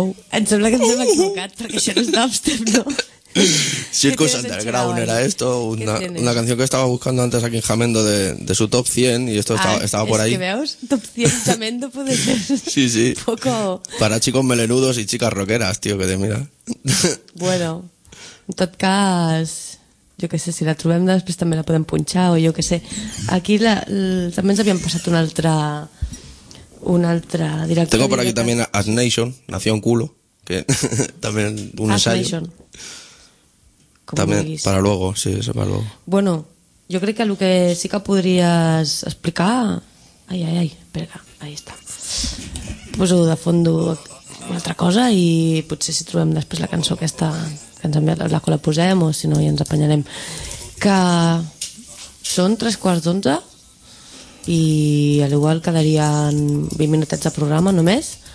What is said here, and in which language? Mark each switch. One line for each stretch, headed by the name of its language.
Catalan: Em sembla que ens hem equivocat, perquè això no és dubstep, no?
Spanish: Circus Underground era esto, una canción que estaba buscando antes aquí en Jamendo de su top 100 y esto estaba por ahí. Es que
Catalan: veus,
Spanish: top 100 Jamendo puede ser. Sí, sí. Un poco... Para chicos melenudos y chicas rockeras, tío, que te mira.
Catalan: Bueno, en tot cas, jo que sé, si la trobem després també la podem punxar o jo que sé. Aquí també ens havíem passat una altra directora.
Spanish: Tengo por aquí también As Nation, Nació en culo, que también un ensayo. As Nation.
Catalan: Com
Spanish: también
Catalan: vulguis.
Spanish: Para luego, sí, eso para luego. Bueno, yo creo que lo que sí que podrías explicar... Ay, espera, ahí está.
Catalan: Poso de fondo una altra cosa i potser si trobem després la cançó aquesta que ens enviat, la que la posem o si no ja ens apanyarem. Que són 11:15 i a l'igual quedarien 20 minutets de programa només.